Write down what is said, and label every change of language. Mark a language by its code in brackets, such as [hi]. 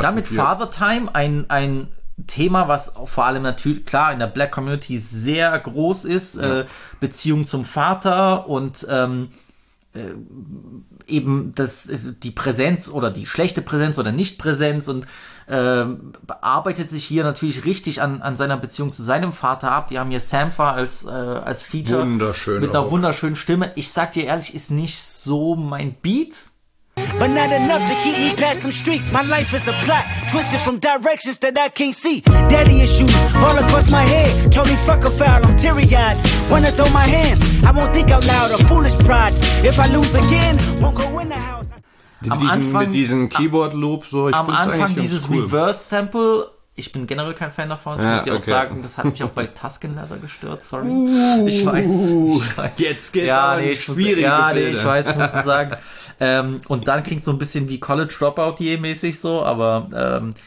[de] dann mit Father Time, ein Thema, was vor allem natürlich, klar, in der Black Community sehr groß ist, Beziehung zum Vater und eben das, die Präsenz oder die schlechte Präsenz oder Nichtpräsenz und arbeitet sich hier natürlich richtig an seiner Beziehung zu seinem Vater ab. Wir haben hier Sampha als Feature. Wunderschön. Mit einer auch. Wunderschönen Stimme. Ich sag dir ehrlich, ist nicht so mein Beat. [en] But not enough to keep me past them streaks. My life is a plot, twisted from directions that I can't see. Daddy issues all across my head. Told me fuck a foul, I'm teary-eyed. Wanna throw my hands, I won't think out loud. A foolish pride, if I lose again, won't go in the house. [de] Mit diesem Keyboard-Loop, so, ich find's eigentlich ganz cool. Am Anfang dieses Reverse-Sample, ich bin generell kein Fan davon, das muss ich auch sagen. Das hat mich auch bei Tusken Leather gestört, sorry. Ich weiß. Jetzt geht's schwierig. Ich muss sagen. Und dann klingt so ein bisschen wie College Dropout-mäßig so, aber